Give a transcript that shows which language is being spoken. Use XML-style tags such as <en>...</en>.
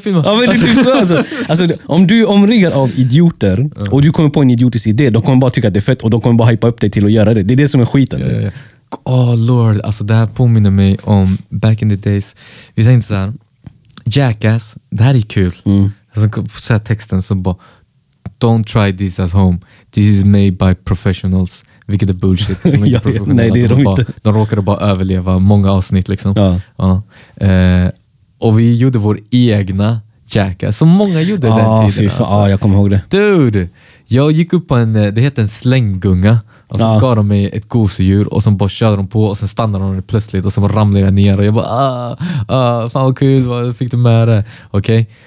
<sv>Ja, men det är så, alltså, om du är omringad av idioter och du kommer på en idiotisk idé, de kommer bara tycka att det är fett och de kommer bara hypa upp dig till att göra det. Det är det som är skiten. Oh lord, alltså det här påminner mig om</sv> <en>back in the days.</en> <sv>Vi tänkte så här, Jackass, det här är kul. Så här texten som bara,</sv> <en>don't try this at home. This is made by professionals.</en> <sv>Vilket är bullshit. De är inte professionella. Nej, det är de inte. Bara, de råkade bara överleva många avsnitt liksom. Ja. Ja. Och vi gjorde vår egna Jackass. Så många gjorde den tiden. Fy fan, alltså. Jag kommer ihåg det. Dude, jag gick upp på en, det heter en slänggunga. Och så gav de mig ett gosedjur och sen bara körde de på och sen stannade de plötsligt och sen ramlade jag ner och jag bara fan vad kul, vad fick du med det? Okej, okay.</sv>